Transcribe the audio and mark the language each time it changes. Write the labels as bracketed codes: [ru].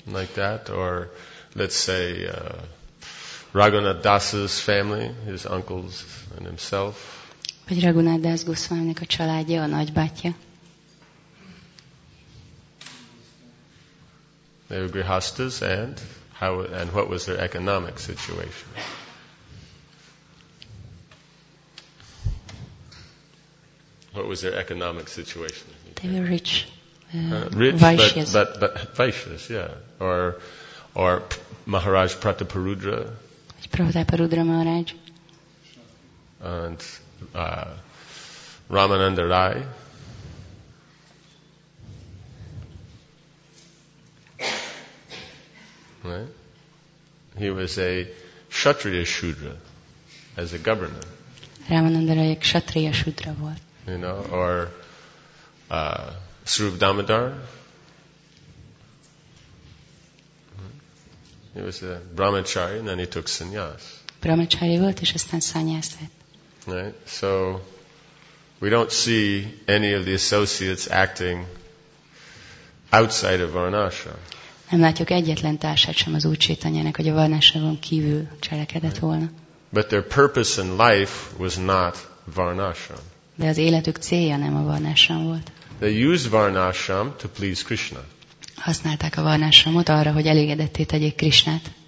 [en] Like that, or let's say Raghunath Das's family, his uncles and himself. [hu] Vagy Raghunath Das Goswami-nek a családja, a nagybátyja. [en] They were grihasthas, and how and what was their economic situation? They were rich. Vaishyas, yeah. Or Maharaj Prataparudra. Prataparudra Maharaj. And Ramananda Rai. Right? He was a Kshatriya Shudra as a governor. [hu] Ramananda Rai Kshatriya Shudra volt. [en] You know, or Srub Damodar. He was a Brahmachari and then he took sannyas. [hu] Brahmachari volt és aztán sannyas lett. [en] Right? So we don't see any of the associates acting outside of Varnashram. [hu] Nem látjuk egyetlen társát sem az Úr Csétanyának, hogy a Varnásravon kívül cselekedett volna. [en] But their purpose in life was not Varnashram. [hu] De az életük célja nem a Varnashram volt. [en] They used Varnashram to please Krishna. [hu] Használták a Varnashramot arra, hogy elégedetté tegyék Krishnát.